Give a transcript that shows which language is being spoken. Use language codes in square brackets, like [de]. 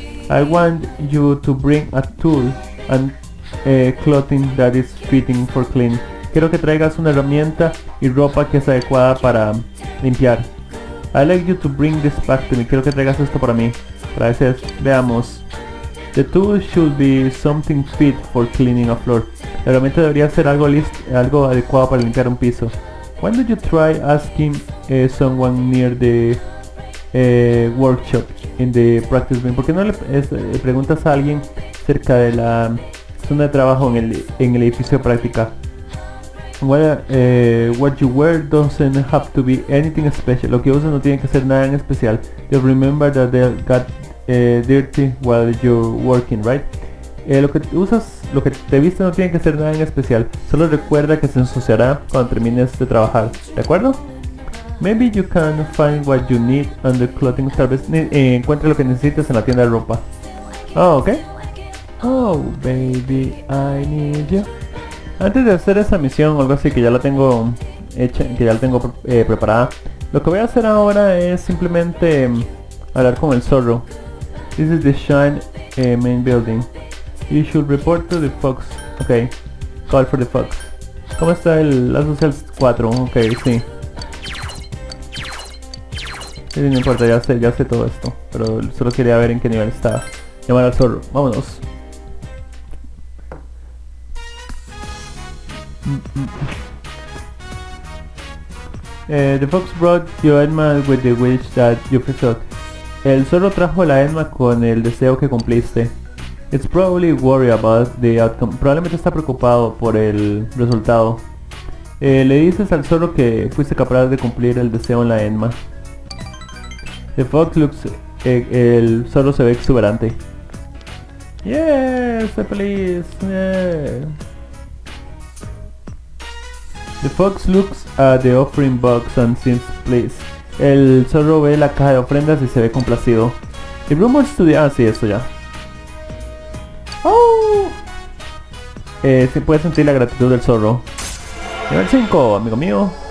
[en] I want you to bring a tool and clothing that is fitting for clean. [es] Quiero que traigas una herramienta y ropa que es adecuada para limpiar. [en] I'd like you to bring this back to me. [es] Quiero que traigas esto para mí. Gracias. Veamos. [en] The tool should be something fit for cleaning a floor. [es] La herramienta debería ser algo adecuado para limpiar un piso. [en] Why don't you try asking someone near the workshop in the practice room? [es] ¿Por qué no le preguntas a alguien cerca de la zona de trabajo en el edificio de práctica? [en] What you wear doesn't have to be anything special. [es] Lo que uses no tiene que ser nada en especial. [en] Just remember that they got dirty while you're working, right? [es] Lo que usas, lo que te viste no tiene que ser nada en especial. Solo recuerda que se ensuciará cuando termines de trabajar, ¿de acuerdo? [en] Maybe you can find what you need on the clothing service. [es] Encuentra lo que necesitas en la tienda de ropa. Oh, ok. [en] Oh, baby, I need you. [es] Antes de hacer esa misión o algo así que ya la tengo hecha, que ya la tengo preparada, lo que voy a hacer ahora es simplemente hablar con el zorro. [en] This is the Shine main building. You should report to the Fox. Ok, call for the Fox. [es] ¿Cómo está el [en] Last of Us 4? Ok, sí. [es] Sí, no importa, ya sé todo esto. Pero solo quería ver en qué nivel estaba. Llamar al zorro, vámonos. [en] The Fox brought your Edma with the wish that you fulfilled. [es] El zorro trajo la Edma con el deseo que cumpliste. [en] It's probably worried about the outcome. [es] Probablemente está preocupado por el resultado. Le dices al zorro que fuiste capaz de cumplir el deseo en la Edma. [en] The Fox looks... [es] el zorro se ve exuberante. [en] Yes, I'm pleased. Yeah. The Fox looks at the offering box and seems pleased. [es] El zorro ve la caja de ofrendas y se ve complacido. [en] The rumors to the... [es] Ah, sí, esto ya. [en] Oh. [es] Se puede sentir la gratitud del zorro. Nivel 5, amigo mío.